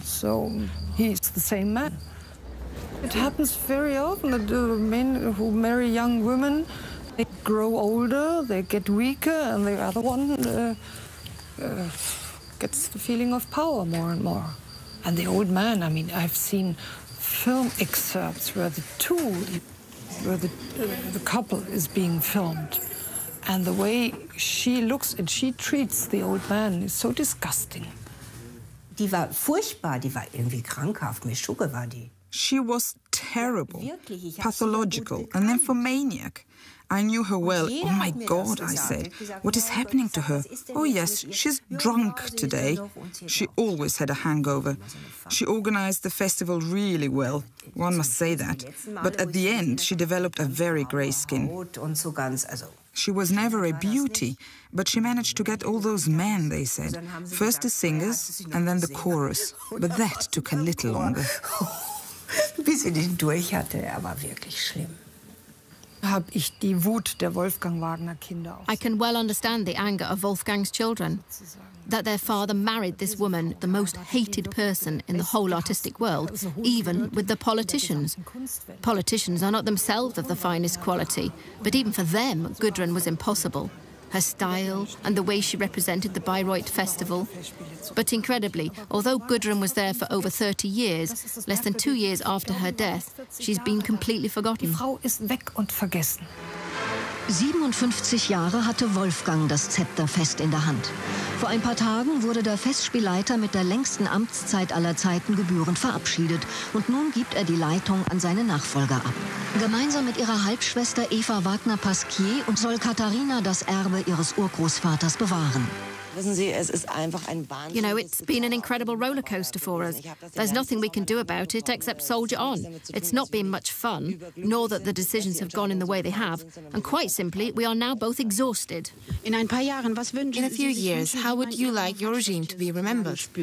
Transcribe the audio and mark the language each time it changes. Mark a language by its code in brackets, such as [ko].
[en] So he's the same man. It happens very often that men who marry young women, they grow older, they get weaker, and the other one gets the feeling of power more and more. And the old man, I mean, I've seen film excerpts where the couple is being filmed. And the way she looks and she treats the old man is so disgusting. [de] Die war furchtbar, die war irgendwie krankhaft, mit Schugge war die. [en] She was terrible, pathological, and nymphomaniac. I knew her well. Oh, my God, I said. What is happening to her? Oh, yes, she's drunk today. She always had a hangover. She organized the festival really well. One must say that. But at the end, she developed a very gray skin. She was never a beauty, but she managed to get all those men, they said. First the singers and then the chorus. But that took a little longer. [de] Bis sie den durch hatte, er war wirklich schlimm. Hab ich die Wut der Wolfgang Wagner Kinder. [en] I can well understand the anger of Wolfgang's children, that their father married this woman, the most hated person in the whole artistic world, even with the politicians. Politicians are not themselves of the finest quality, but even for them, Gudrun was impossible. Her style and the way she represented the Bayreuth Festival. But incredibly, although Gudrun was there for over 30 years, less than 2 years after her death, she's been completely forgotten. [de] Die Frau ist weg und vergessen. 57 Jahre hatte Wolfgang das Zepter fest in der Hand. Vor ein paar Tagen wurde der Festspielleiter mit der längsten Amtszeit aller Zeiten gebührend verabschiedet. Und nun gibt er die Leitung an seine Nachfolger ab. Gemeinsam mit ihrer Halbschwester Eva Wagner-Pasquier und soll Katharina das Erbe ihres Urgroßvaters bewahren. [en] You know, it's been an incredible roller coaster for us. There's nothing we can do about it except soldier on. It's not been much fun, nor that the decisions have gone in the way they have. And quite simply, we are now both exhausted. [de] In ein paar Jahren, was wünschen Sie? [en] In a few years, how would you like your regime to be remembered?